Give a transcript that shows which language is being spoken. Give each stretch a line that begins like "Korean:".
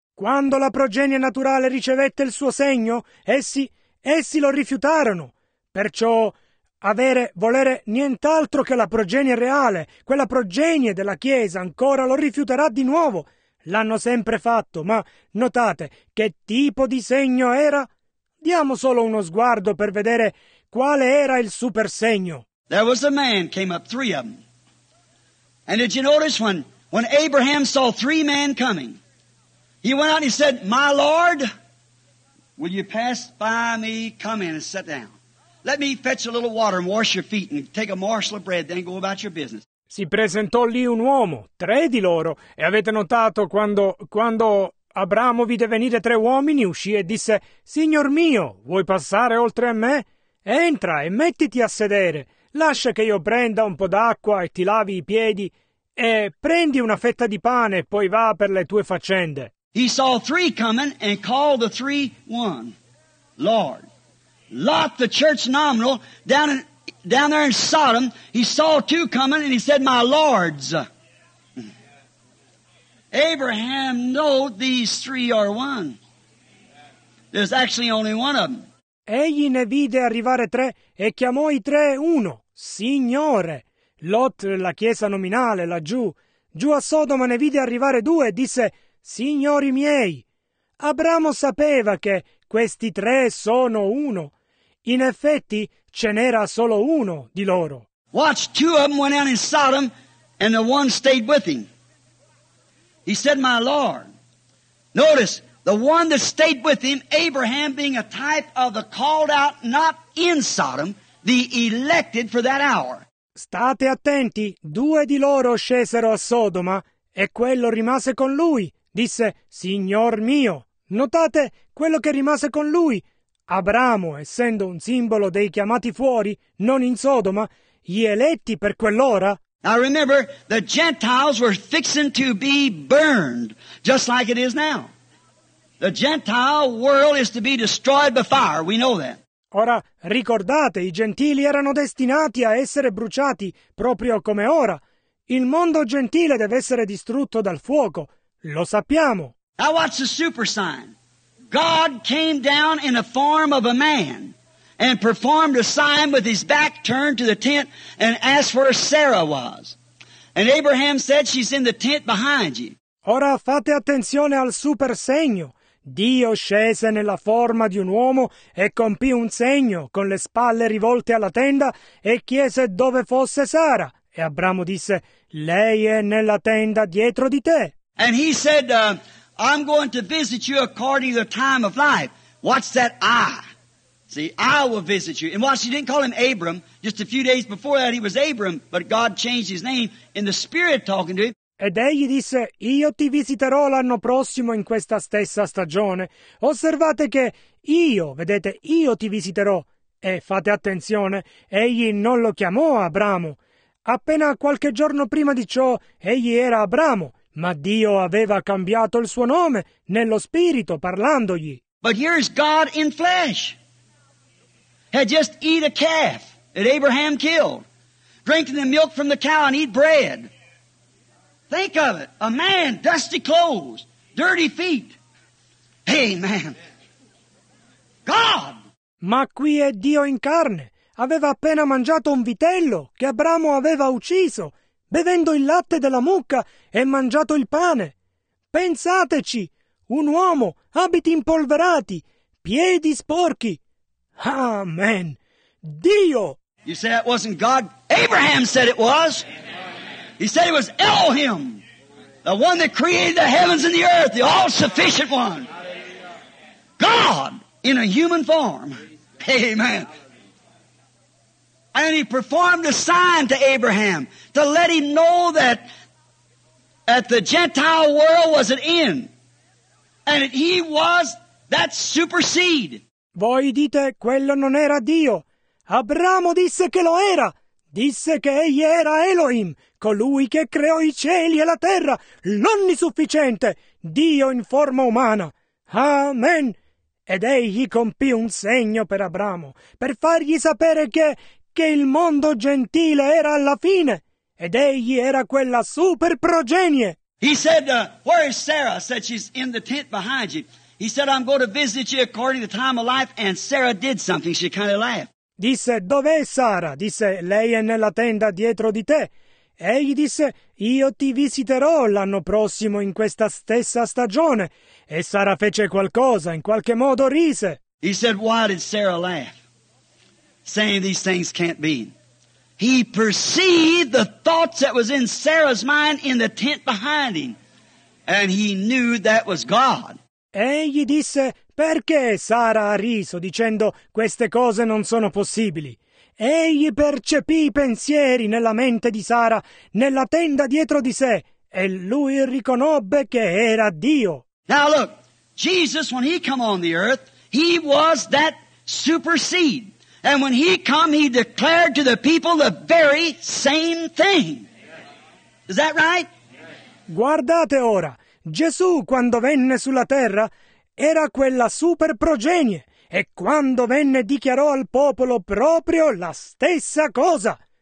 Italian: Quando la progenie naturale ricevette il suo segno, essi lo rifiutarono. Perciò volere nient'altro che la progenie reale, quella progenie della Chiesa, ancora lo rifiuterà di nuovo. L'hanno sempre fatto, ma notate che tipo di segno era? Diamo solo uno sguardo per vedere quale era il super segno.
English: There was a man came up, three of them. And did you notice when Abraham saw three men coming? He went out and he said, my Lord, will you pass by me? Come in and sit down. Let me fetch a little water and wash your feet and take a morsel of bread, then go about your business.
Italian: Si presentò lì un uomo, tre di loro, e avete notato quando Abramo vide venire tre uomini, uscì e disse, signor mio, vuoi passare oltre a me? Entra e mettiti a sedere, lascia che io prenda un po' d'acqua e ti lavi i piedi, e prendi una fetta di pane e poi va per le tue faccende.
English: He saw three coming and called the three one, Lord. Lot, the church nominal, down there in Sodom, he saw two coming and he said, my lords. Abraham knew these three are one. There's actually only one of them.
Italian: Egli ne vide arrivare tre e chiamò i tre uno, Signore. Lot, la chiesa nominale, laggiù. giù a Sodoma ne vide arrivare due e disse: «Signori miei, Abramo sapeva che questi tre sono uno. In effetti ce n'era solo uno di loro».
English: Watch, two of them went out in Sodom and the one stayed with him. He said, my Lord. Notice, the one that stayed with him, Abraham being a type of the called out, not in Sodom, the elected for that hour.
Italian: State attenti, due di loro scesero a Sodoma e quello rimase con lui. Disse, Signor mio. Notate quello che rimase con lui. Abramo, essendo un simbolo dei chiamati fuori, non in Sodoma, gli eletti per quell'ora.
English: Now remember, the Gentiles were fixing to be burned, just like it is now. The Gentile world is to be destroyed by fire, we know that.
Italian: Ora, ricordate, i gentili erano destinati a essere bruciati, proprio come ora. Il mondo gentile deve essere distrutto dal fuoco, lo sappiamo.
English: Now watch the super sign. God came down in the form of a man and performed a sign with his back turned to the tent and asked where Sarah was. And Abraham said, she's in the tent behind you.
Italian: Ora fate attenzione al super segno. Dio scese nella forma di un uomo e compì un segno con le spalle rivolte alla tenda e chiese dove fosse Sara. E Abramo disse, lei è nella tenda dietro di te.
English: And he said, I'm going to visit you according to the time of life. What's that I? See, I will visit you. And watch, he didn't call him Abram. Just a few days before that, he was Abram, but God changed his name in the spirit talking to him.
Italian: Ed egli disse, io ti visiterò l'anno prossimo in questa stessa stagione. Osservate che io, vedete, io ti visiterò. E fate attenzione, egli non lo chiamò Abramo. Appena qualche giorno prima di ciò, egli era Abramo. Ma Dio aveva cambiato il suo nome nello spirito parlandogli.
English: But here's God in flesh. Had just eat a calf that Abraham killed. Drinking the milk from the cow and eat bread. Think of it. A man, dusty clothes, dirty feet. Amen. God!
Italian: Ma qui è Dio in carne. Aveva appena mangiato un vitello che Abramo aveva ucciso, bevendo il latte della mucca e mangiato il pane. Pensateci, un uomo, abiti impolverati, piedi sporchi. Amen. Dio!
English: You say it wasn't God? Abraham said it was. He said it was Elohim, the one that created the heavens and the earth, the all-sufficient one. God in a human form. Amen. And he performed a sign to Abraham to let him know that the Gentile world was at end. And that he was that super seed.
Italian: Voi dite, quello non era Dio. Abramo disse che lo era. Disse che egli era Elohim, colui che creò i cieli e la terra, l'onnisufficiente, Dio in forma umana. Amen. Ed egli compì un segno per Abramo, per fargli sapere che il mondo gentile era alla fine, ed egli era quella super progenie.
English: He said, where is Sarah? Said, she's in the tent behind you. He said, I'm going to visit you according to the time of life, and Sarah did something. She kind of laughed.
Italian: Disse, dov'è Sara? Disse, lei è nella tenda dietro di te. Egli disse, io ti visiterò l'anno prossimo in questa stessa stagione. E Sara fece qualcosa, in qualche modo rise.
English: He said, why did Sarah laugh? Saying these things can't be. He perceived the thoughts that was in Sarah's mind in the tent behind him. And he knew that was God.
Italian: Egli disse, perché Sara ha riso dicendo queste cose non sono possibili? Egli percepì i pensieri nella mente di Sara, nella tenda dietro di sé, e lui riconobbe che era Dio.
English: Now look, Jesus, when he come on the earth, he was that super seed. And when he come, he declared to the people the very same thing. Is that right?
Italian: Guardate ora, Gesù, quando venne sulla terra, era quella super progenie, e quando venne dichiarò al popolo proprio la stessa cosa.